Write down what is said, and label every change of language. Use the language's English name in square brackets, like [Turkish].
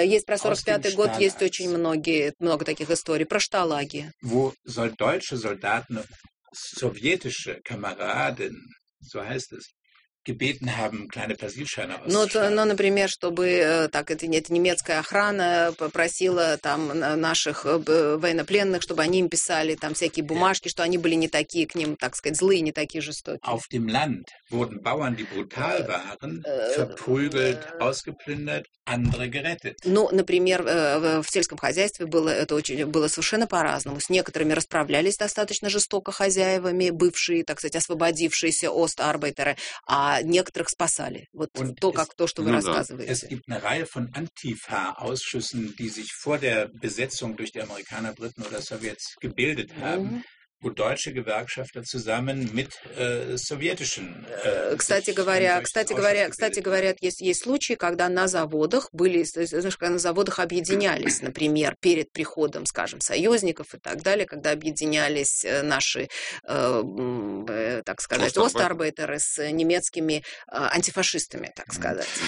[Russian] Есть про 45-й год, есть очень много таких историй про шталаги. [German] Wo deutsche Soldaten sowjetische Kameraden, so heißt es, gebeten haben, kleine Persilscheine auszustellen. [Russian] Ну, например, чтобы так это немецкая охрана попросила там наших военнопленных, чтобы они им писали там всякие бумажки, что они были не такие к ним, так сказать, злые, не такие жестокие. [German] Auf dem Land wurden Bauern, die brutal waren, verprügelt, ausgeplündert, andere gerettet. [Russian] Ну, например, в сельском хозяйстве было совершенно по-разному. С некоторыми расправлялись достаточно жестоко хозяевами, бывшие, так сказать, освободившиеся остарбайтеры, а некоторых спасали. Вот то, как то, что вы рассказываете. [German] Es gibt eine Reihe von Antifa-Ausschüssen, die sich vor der Besetzung durch die Amerikaner, Briten oder Sowjets gebildet haben. Deutsche Gewerkschafter zusammen mit sowjetischen. [Russian] Кстати говоря, есть случаи, когда на заводах были, знаешь, когда на заводах объединялись, например, перед приходом, скажем, союзников и так далее, когда объединялись наши, так сказать, остарбайтеры с немецкими антифашистами, так сказать.